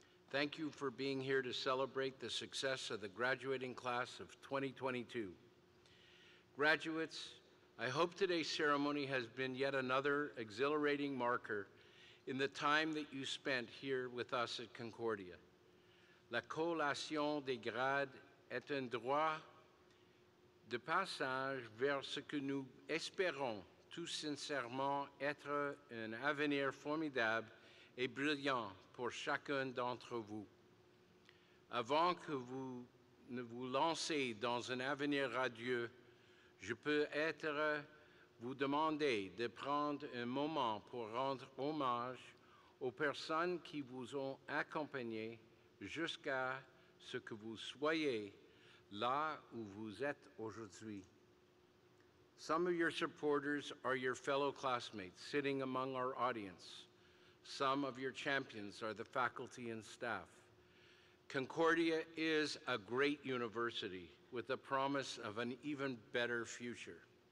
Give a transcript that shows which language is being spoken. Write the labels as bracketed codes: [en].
[en] Thank you for being here to celebrate the success of the graduating class of 2022. Graduates, I hope today's ceremony has been yet another exhilarating marker in the time that you spent here with us at Concordia. [fr] La collation des grades est un droit de passage vers ce que nous espérons tout sincèrement être un avenir formidable et brillant pour chacun d'entre vous. Avant que vous ne vous lanciez dans un avenir radieux, je peux être vous demander de prendre un moment pour rendre hommage aux personnes qui vous ont accompagné jusqu'à ce que vous soyez là où vous êtes aujourd'hui. [en] Some of your supporters are your fellow classmates sitting among our audience. Some of your champions are the faculty and staff. Concordia is a great university with the promise of an even better future.